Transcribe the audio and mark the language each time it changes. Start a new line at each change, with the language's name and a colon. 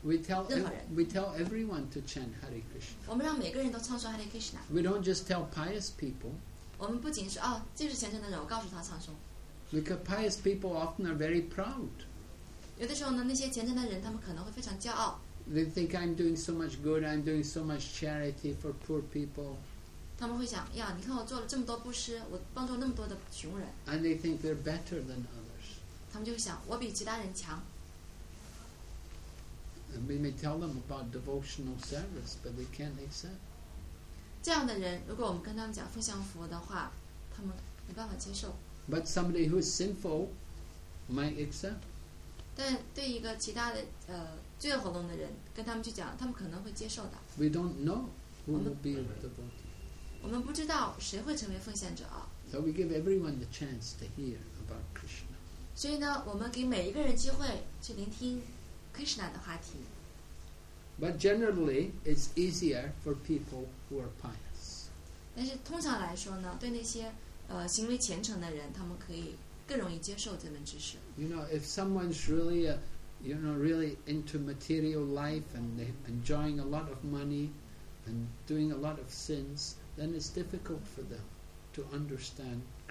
English: we tell everyone to chant Hare Krishna.
Chinese: 我们让每个人都唱诵 Hare Krishna.
English: We don't just tell pious people.
Chinese: 我们不仅是哦，这是虔诚的人, 我告诉他唱诵.
English: Because pious people often are very proud.
Chinese: 有的时候呢，那些虔诚的人，他们可能会非常骄傲。
English: They think I'm doing so much good, I'm doing so much charity for poor people.
Chinese: 他们会想,呀,你看我做了这么多布施, 我帮助那么多的穷人。
English: And they think they're better than others.
Chinese: 他们就想,我比其他人强。
English: And we may tell them about devotional service, but they can't accept.
Chinese: 这样的人,如果我们跟他们讲奉献服务的话, 他们没办法接受。
English: But somebody who is sinful might accept.
Chinese: 但对一个其他的, 罪恶活动的人, 跟他们去讲, 他们可能会接受的。
English: We don't know who will be a devotee.
Chinese: 我们不知道谁会成为奉献者。
English: So we give everyone the chance to hear about Krishna.
Chinese: 所以呢, 我们给每一个人机会去聆听Krishna的话题。
English: But generally, it's easier for people who are pious.
Chinese: 但是通常来说呢, 对那些, 行为虔诚的人, 他们可以更容易接受这门知识。
English: You know, if someone's really a really into material life and enjoying a lot of money and doing a lot of sins, then it's difficult for them to understand